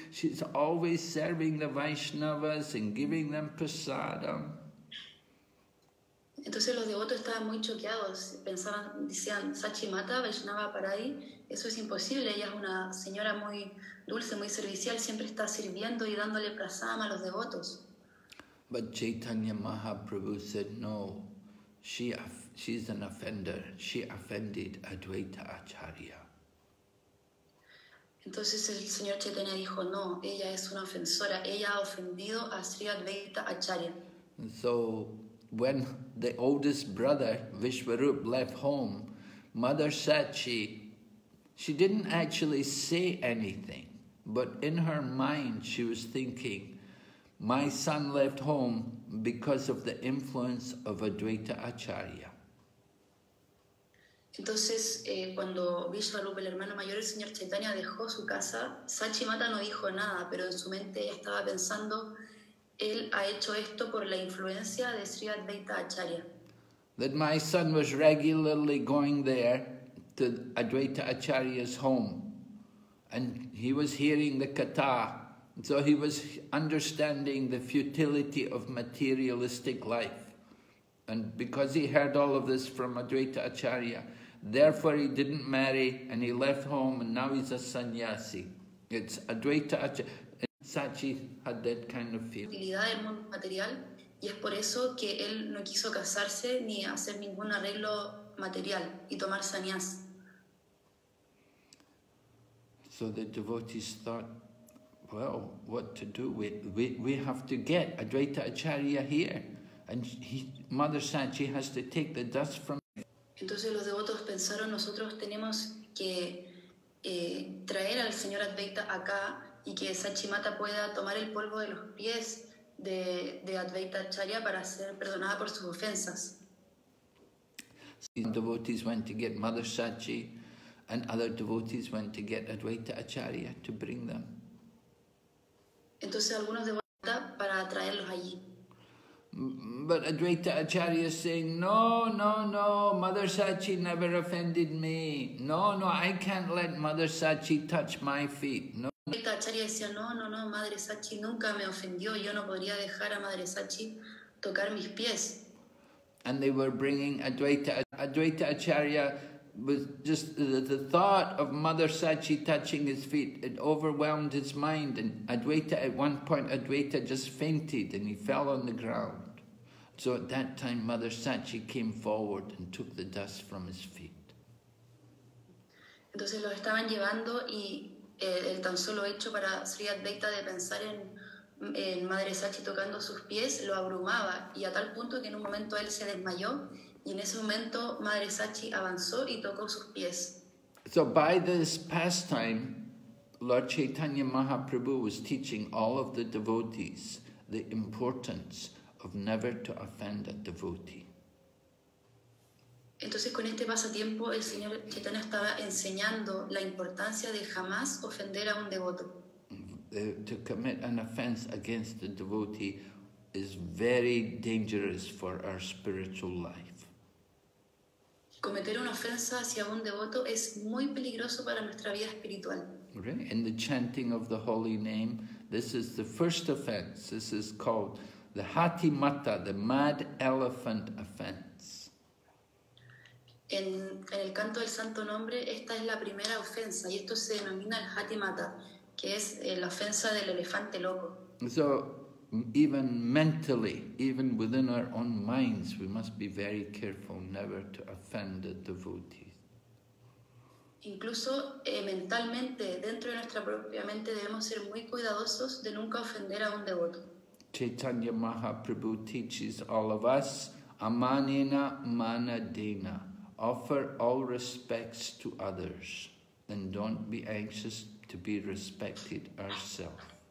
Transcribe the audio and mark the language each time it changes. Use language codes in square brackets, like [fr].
[en] She's always serving the Vaishnavas and giving them prasadam. [es] Entonces los devotos estaban muy choqueados, pensaban, decían, Sachimata, Vaishnava Paradi, eso es imposible, ella es una señora muy dulce, muy servicial, siempre está sirviendo y dándole prasama a los devotos. [en] But Chaitanya Mahaprabhu said, no, she's an offender, she offended Advaita Acharya. [es] Entonces el señor Chaitanya dijo, no, ella es una ofensora, ella ha ofendido a Sri Advaita Acharya. [en] So when the oldest brother, Vishwarup, left home, Mother Sachi, she didn't actually say anything, but in her mind she was thinking, my son left home because of the influence of Advaita Acharya. [es] Entonces, cuando Vishwarup, el hermano mayor, el señor Chaitanya, dejó su casa, Sachimata no dijo nada, pero en su mente ella estaba pensando, él ha hecho esto por la influencia de Sri Advaita Acharya. [en] That my son was regularly going there to Advaita Acharya's home and he was hearing the katha, so he was understanding the futility of materialistic life. And because he heard all of this from Advaita Acharya, therefore he didn't marry and he left home and now he's a sannyasi. It's Advaita Acharya. Sachi had that kind of feeling. [es] Del mundo material, y es por eso que él no quiso casarse ni hacer ningún arreglo material y tomar sannyas. [en] So the devotees thought, well, what to do? We have to get Advaita Acharya here, and Mother Sachi has to take the dust from. [es] Entonces los devotos pensaron, nosotros tenemos que traer al señor Advaita acá y que Sachimata pueda tomar el polvo de los pies de Advaita Acharya para ser perdonada por sus ofensas. [en] The devotees went to get Mother Sachi and other devotees went to get Advaita Acharya to bring them. [es] Entonces algunos devotos para traerlos allí. [en] But Advaita Acharya is saying, no, no, no, Mother Sachi never offended me. No, no, I can't let Mother Sachi touch my feet. No, no. [es] Advaita Acharya decía, no, no, no, Madre Sachi nunca me ofendió. Yo no podría dejar a Madre Sachi tocar mis pies. [en] And they were bringing Advaita Acharya was just the thought of Mother Sachi touching his feet. It overwhelmed his mind, and at one point Advaita just fainted and he fell on the ground. So at that time Mother Sachi came forward and took the dust from his feet. [es] Entonces lo estaban llevando y el tan solo hecho para Sri Advaita de pensar en Madre Sachi tocando sus pies lo abrumaba, y a tal punto que en un momento él se desmayó. Y en ese momento, Madre Sachi avanzó y tocó sus pies. [en] So by this pastime, Lord Chaitanya Mahaprabhu was teaching all of the devotees the importance of never to offend a devotee. [es] Entonces, con este pasatiempo, el señor Chaitanya estaba enseñando la importancia de jamás ofender a un devoto. [en] To commit an offense against a devotee is very dangerous for our spiritual life. [es] Cometer una ofensa hacia un devoto es muy peligroso para nuestra vida espiritual. [en] Really? In the chanting of the holy name, this is the first offense. This is called the hatimata, the mad elephant offense. [es] En el canto del santo nombre, esta es la primera ofensa, y esto se denomina el hatimata, que es la ofensa del elefante loco. [en] So, even mentally, even within our own minds, we must be very careful never to offend the devotees. [es] Incluso mentalmente, dentro de nuestra propia mente, debemos ser muy cuidadosos de nunca ofender a un devoto. [en] Chaitanya Mahaprabhu teaches all of us, amanina manadena, offer all respects to others, and don't be anxious to be respected ourselves.